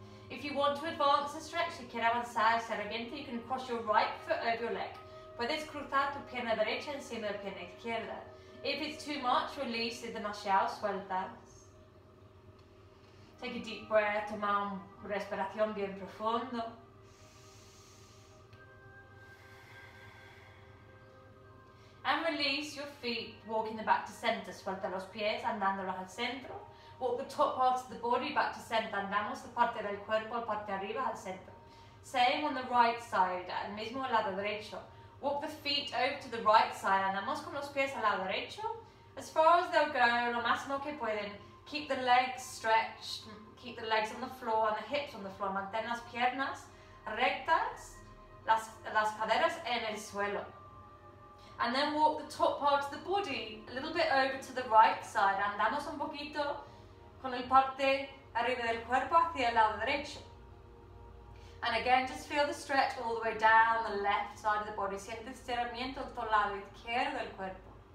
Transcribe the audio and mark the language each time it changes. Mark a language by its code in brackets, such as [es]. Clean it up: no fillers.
[en] If you want to advance the stretch, [es] si quieres avanzar el estiramiento, [en] you can cross your right foot over your leg. [es] Puedes cruzar tu pierna derecha encima de la pierna izquierda. [en] If it's too much, release, [es] es demasiado, suelta. [en] Take a deep breath, [es] toma un respiración bien profundo. [en] And release your feet, walking them back to center. [es] Suelta los pies, andándolos al centro. [en] Walk the top parts of the body back to center. [es] Andamos la parte del cuerpo, la parte de arriba, al centro. [en] Same on the right side, [es] al mismo lado derecho. [en] Walk the feet over to the right side. [es] Andamos con los pies al lado derecho. [en] As far as they'll go, [es] lo máximo que pueden. [en] Keep the legs stretched. Keep the legs on the floor and the hips on the floor. [es] Mantén las piernas rectas, las caderas en el suelo. [en] And then walk the top part of the body a little bit over to the right side. [es] Andamos un poquito con el parte arriba del cuerpo hacia el lado derecho. [en] And again, just feel the stretch all the way down the left side of the body. [es] Siente el estiramiento en todo el lado izquierdo del cuerpo.